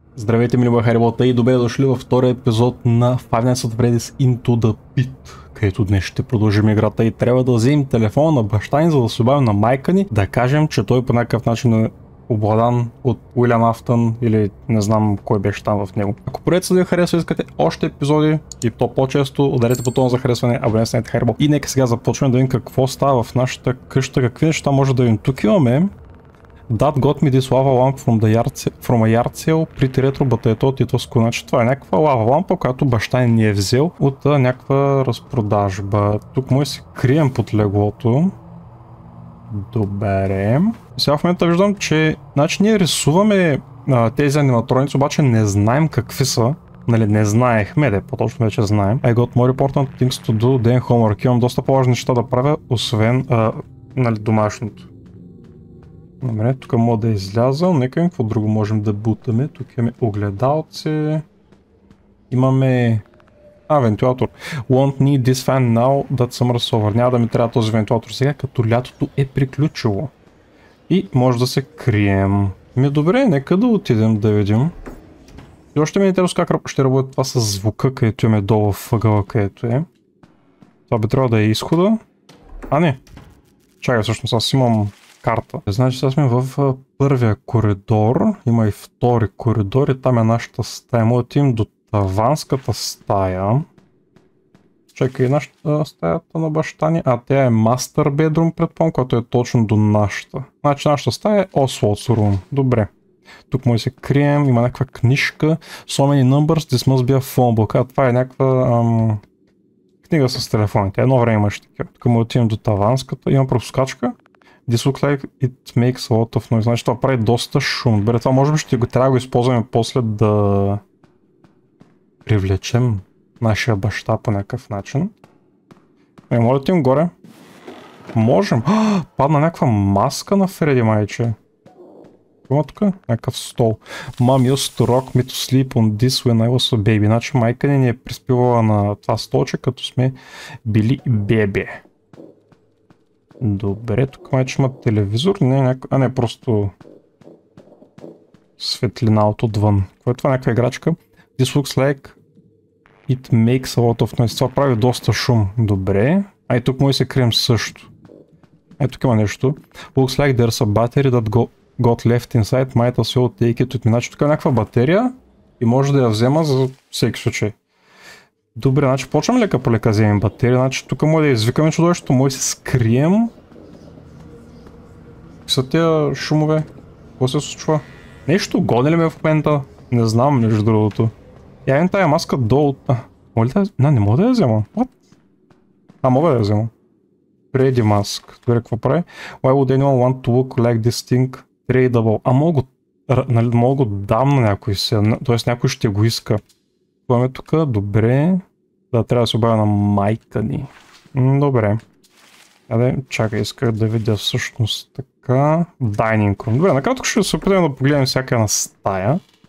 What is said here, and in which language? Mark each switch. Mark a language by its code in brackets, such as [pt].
[bg] Здравейте, мили Бахаривота, и добре дошли във втори епизод на Five Nights at Freddy's Into the Pit, където днес ще продължим играта и трябва да вземем телефона на баща ни, за да се обадим на майка ни, да кажем, че той по някакъв начин е обладан от Уилям Афтън или не знам кой беше там в него. Ако проекта ви харесва, искате още епизоди и то по-често, ударете бутона за харесване, абонирайте се на Харибо. И нека сега започнем да видим какво става в нашата къща, какви неща може да видим. Тук имаме [en] That got me this lava lamp from, the yard, from a yard sale pretty retro, but I thought it was cool. [bg] Значи това е някаква лава лампа, която баща ни е взел от някаква разпродажба. Тук може се крием под леглото. Добре. Сега в момента виждам, че значи ние рисуваме тези аниматроници, обаче не знаем какви са. Нали, не знаехме, да, по-точно вече знаем. [en] I got more important things to do than homework. [bg] Имам доста по-важни неща да правя, освен нали, домашното. Добре, тук мога да изляза, нека какво друго можем да бутаме. Тук имаме огледалци. Имаме... А, вентилатор. [en] Won't need this fan now that summer's over. [bg] Няма да ми трябва този вентилатор сега, като лятото е приключило. И може да се крием. Ми добре, нека да отидем да видим. И още ми е интересно как ще работи това с звука, където имаме долу въгъла, където е. Това би трябва да е изхода. А, не. Чакай, всъщност аз имам... карта. Значи сега сме в първия коридор, има и втори коридор и там е нашата стая. Мога да им до таванската стая. Чакай, нашата стаята на баща ни, а тя е мастър бедрум, предполагам, която е точно до нашата. Значи нашата стая е Oswald's room. Добре. Тук може се крием, има някаква книжка. [en] So many numbers, this must be a phone book. [bg] А това е някаква... книга с телефоните. Едно време имаше такива. Тук мога да им до таванската. Има пропускачка. [en] This looks like it makes a lot of noise. [bg] Значи това прави доста шум. Добре, това може би ще го трябва да го използваме после да привлечем нашия баща по някакъв начин. Не, може да им горе? Можем. А, падна някаква маска на Фредди, майче. Има тук някакъв стол. [en] Mom used to rock me to sleep on this when I was a baby. [bg] Значи майка ни е приспивала на това столче, като сме били бебе. Добре, тук май че има телевизор, не, а не, просто светлина от отвън. Кое е това, някаква играчка? [en] This looks like it makes a lot of noise. [bg] Това прави доста шум. Добре, а и тук може да се крием също. Ето тук има нещо. [en] Looks like there's a battery that got left inside, might as well take it with me. [bg] Значи тук е някаква батерия и може да я взема за всеки случай. Добре, значи почваме лека полека вземем батерия, значи тук може да извикаме чудовището, може да се скрием. Какви са тия шумове? Какво се случва? Нещо гони ли ме в момента? Не знам, между другото. Я имам тая маска долу. А, може ли да... Не, не мога да я взема. What? А, мога да я взема. Преди маск. Добре, какво прави? [en] Why would anyone want to look like this thing? [bg] Tradable. А, мога го... Нали, мога го дам на някой се. Т.е. някой ще го иска. Пламе тук, добре. Да, трябва да се обавя на майка ни. Добре. Аде, чакай, исках да видя всъщност така. [en] Dining room. [bg] Добре, накратко ще се опитаме да погледнем всяка една стая.